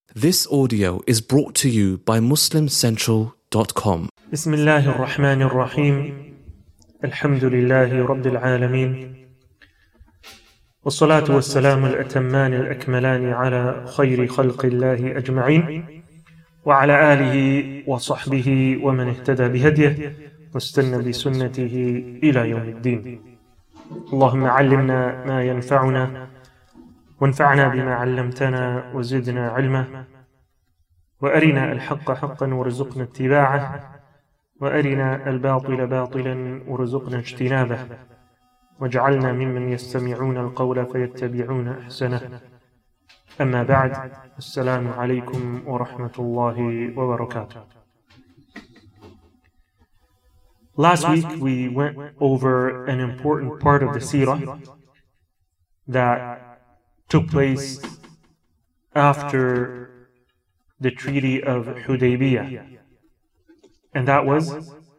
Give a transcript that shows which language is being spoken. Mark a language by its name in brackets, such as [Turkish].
[English] This audio is brought to you by MuslimCentral.com. [Arabic] بسم الله الرحمن الرحيم الحمد لله رب العالمين والصلاة والسلام الأتمان الأكملان على خير خلق الله أجمعين وعلى آله وصحبه ومن اهتدى بهديه واستنى بسنته إلى يوم الدين. اللهم علمنا ما ينفعنا وانفعنا بما علمتنا وزدنا علما وأرنا الحق حقا وارزقنا اتباعه وأرنا الباطل باطلا وارزقنا اجتنابه واجعلنا ممن يستمعون القول فيتبعون أحسنه. أما بعد، السلام عليكم ورحمة الله وبركاته. [English] Last week we went over an important part of the seerah that took place after the Treaty of Hudaybiyah, and that was